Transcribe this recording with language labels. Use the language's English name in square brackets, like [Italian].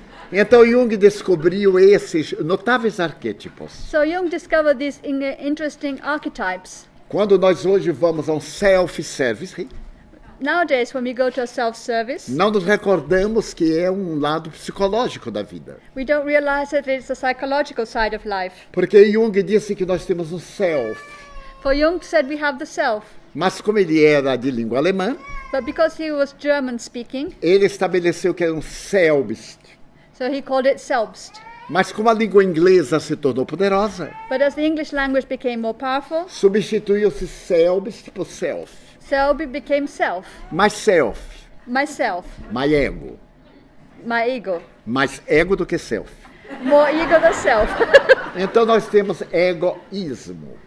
[Portuguese] Então Jung descobriu esses notáveis arquétipos. [English] So Jung discovered these interesting archetypes. [Portuguese] Quando nós hoje vamos a self-service. [English] Nowadays, when we go to a self-service, [Portuguese] não nos recordamos que é lado psicológico da vida. [English] We don't realize that it's a psychological side of life. [Portuguese] Porque Jung disse que nós temos self. [English] For Jung said we have the self. [Portuguese] Mas como ele era de língua alemã, [English] but because he was German speaking, [Portuguese] ele estabeleceu que era Selbst. [English] So he called it Selbst. [Portuguese] Mas como a língua inglesa se tornou poderosa, [English] but as the English language became more powerful, [Portuguese] substituiu-se Selbst por self. [English] Self became self. Myself. Myself. My ego. My ego. [Portuguese] Mais ego do que self. [English] More ego than self. [Portuguese] Então nós temos egoísmo.